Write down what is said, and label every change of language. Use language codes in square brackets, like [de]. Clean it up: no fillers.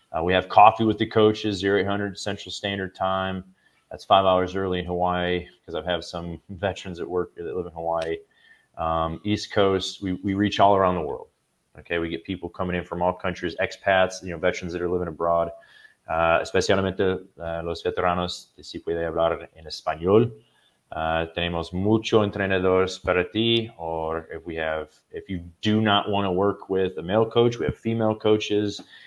[en] We have coffee with the coaches, 0800 Central Standard Time. That's 5 hours early in Hawaii, because I have some veterans at work that live in Hawaii. East Coast, we reach all around the world. Okay, we get people coming in from all countries, expats, you know, veterans that are living abroad. [es] Especialmente los veteranos, si puede hablar en español. Tenemos mucho entrenadores para ti. [en] Or if you do not want to work with a male coach, we have female coaches.